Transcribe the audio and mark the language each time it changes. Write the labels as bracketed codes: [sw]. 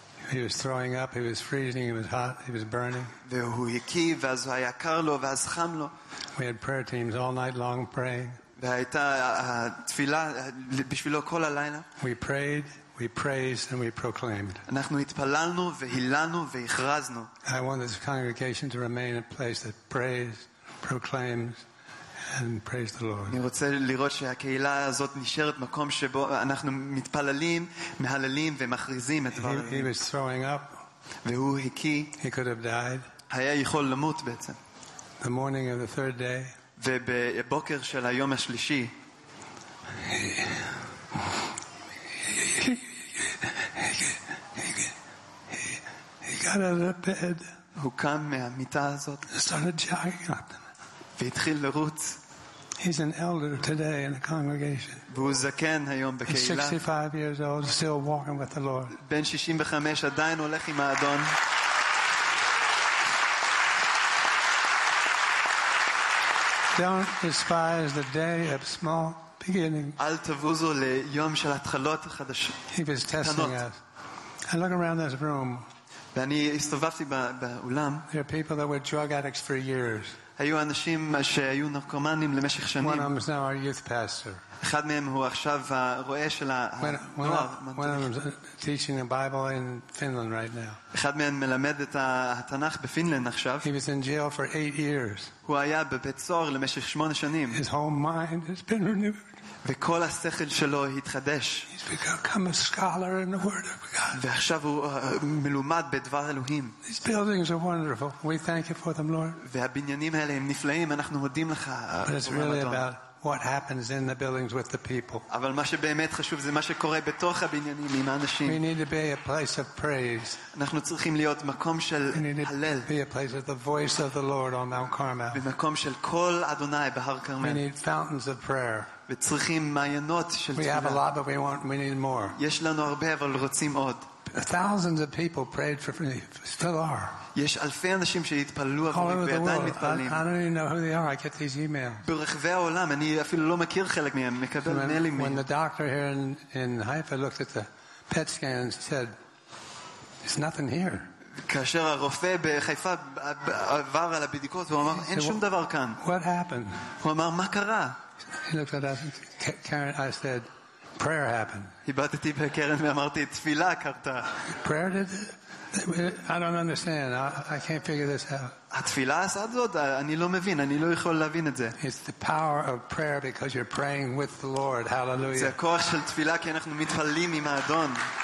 [en] He was throwing up, he was freezing, he was hot, he was burning. [he] והוא הקיא ואז היה קר לו ואז חם לו. [en] We had prayer teams all night long praying. [he] והייתה תפילה בשבילו כל הלילה. [en] We prayed. We praised and we proclaimed. [he] אנחנו התפללנו והילנו והכרזנו. [en] I want this congregation to remain a place that prays, proclaims and praises the Lord. [he] אני רוצה לראות שהקהילה הזאת נשארת מקום שבו אנחנו מתפללים, מהללים ומכריזים את דבר ה'. [en] He was throwing up. [he] והוא הקיא. [en] He could have died. [he] היה יכול למות בעצם. [en] The morning of the third day. [he] ובבוקר של היום השלישי. [en] got out of bed. [he] הוא קם מהמיטה הזאת. [en] Started jogging. [he] והתחיל לרוץ. [en] He's an elder today in the congregation. [he] והוא זקן היום בקהילה. [en] 65 years old, still walking with the Lord. [he] בן 65 עדיין הולך עם האדון. [en] Don't despise the day of small beginning. [he] אל תבוזו ליום של התחלות חדשות. [en] He was testing us. I look around this room. [he] ואני הסתובבתי באולם. [en] There are people that were drug addicts for years. [he] היו אנשים שהיו נרקומנים למשך שנים. [en] One of them is now our youth pastor. [he] אחד מהם הוא עכשיו הרועה של הנוער. [en] One of them is teaching the Bible in Finland right now. [he] אחד מהם מלמד את התנ"ך בפינלנד עכשיו. [en] He was in jail for 8 years. [he] הוא היה בבית סוהר למשך 8 שנים. [en] His whole mind has been renewed. [he] וכל השכל שלו התחדש. [en] He's become a scholar in the word of God. [he] ועכשיו הוא מלומד בדבר אלוהים. [en] These buildings are wonderful. We thank you for them, Lord. [he] והבניינים האלה הם נפלאים, אנחנו מודים לך. [en] But it's really about what happens in the buildings with the people. [he] אבל מה שבאמת חשוב זה מה שקורה בתוך הבניינים עם האנשים. [en] We need to be a place of praise. [he] אנחנו צריכים להיות מקום של הלל. [en] Be a place of the voice of the Lord on Mount Carmel. [he] במקום של קול אדוני בהר כרמל. [en] We need fountains of prayer. [he] וצריכים מעיינות של תפילה. [en] We have a lot, but we want, we need more. [he] יש לנו הרבה אבל רוצים עוד. [en] Thousands of people prayed for me. Still are. [he] יש אלפי אנשים שהתפללו ועדיין מתפללים. [en] I don't even know who they are. I get these emails. [he] ברחבי העולם, אני אפילו לא מכיר חלק מהם, מקבל מיילים מהם. [en] When the doctor here in Haifa looked at the PET scan and said, "There's nothing here." [he] כאשר הרופא בחיפה עבר על הבדיקות, הוא אמר, "אין שום דבר כאן." [en] What happened? [he] הוא אמר, "מה קרה?" [en] He looked at us, Karen, I said, "Prayer happened." [he] הבטתי בקרן ואמרתי, "תפילה קרתה." [en] Prayer did it. I don't understand. I can't figure this out. [he] התפילה עשה זאת? אני לא מבין. אני לא יכול להבין את זה. [en] It's the power of prayer because you're praying with the Lord. Hallelujah. [he] זה הכוח של תפילה כי אנחנו מתפללים עם האדון.